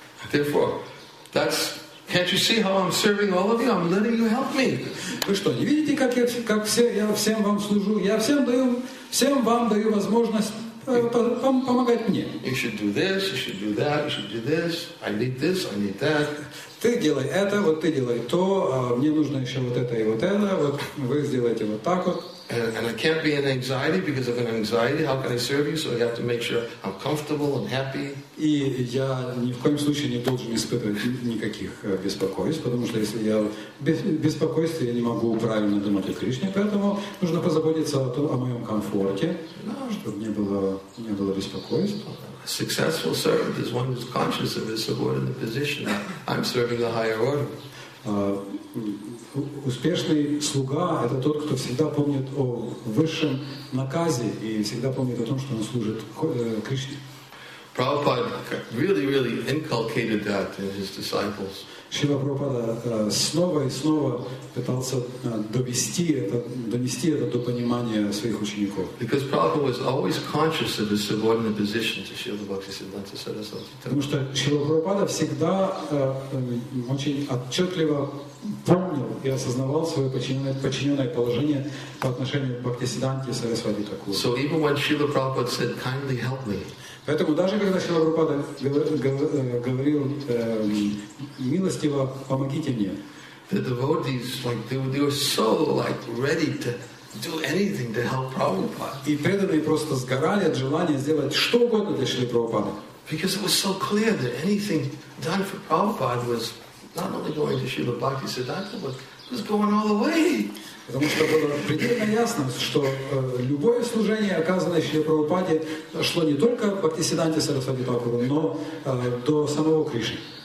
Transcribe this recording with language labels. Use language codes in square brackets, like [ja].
[en] Therefore, can't you see how I'm serving all of you? I'm letting you help me. [ru] Вы что, не видите, как я всем вам служу? Я всем вам даю возможность помогать мне. [en] You should do this, you should do that, you should do this, I need this, I need that. [ru] Ты делай это, вот ты делай то, а мне нужно еще вот это и вот это, вот вы сделаете вот так вот. [en] And I can't be in anxiety because of an anxiety. How can I serve you? So I have to make sure I'm comfortable and happy. [ru] И я ни в коем случае не должен испытывать никаких беспокойств, потому что если я беспокоюсь, я не могу правильно думать о Кришне, поэтому нужно позаботиться о моем комфорте, чтобы не было беспокойств. [en] A successful servant is one who's conscious of his subordinate position. I'm serving the higher order. [ru] Успешный слуга — это тот, кто всегда помнит о высшем наказе и всегда помнит о том, что он служит Кришне. [en] Prabhupada really, really inculcated that in his disciples. [ru] Шрила Прабхупада снова и снова пытался донести это до понимания своих учеников. [en] Because Prabhupada was always conscious of his subordinate position to Шрила Бхактисиддханта Сарасвати. [ru] Потому что Шрила Прабхупада всегда очень отчетливо понял и осознавал свое подчиненное положение по отношению к Бхактисиддханте Сарасвати Такур. [en] So even when Srila Prabhupada said, "Kindly help me." [ru] Поэтому даже когда Шрила Прабхупада говорил милостиво помогите мне, [en] the devotees like they were so like ready to do anything to help Prabhupada. [ru] И преданные просто сгорали от желания сделать что угодно для Шрилы Прабхупады. [en] Because it was so clear that anything done for Prabhupada was not only going to Srila Bhakti Siddhanta, but was going all the way. [ru] Потому что было предельно ясно, что любое служение, оказанное Шри Прабхупаде, шло не только по Бхактисиддханте Сарасвати Такуру, но до самого Кришны.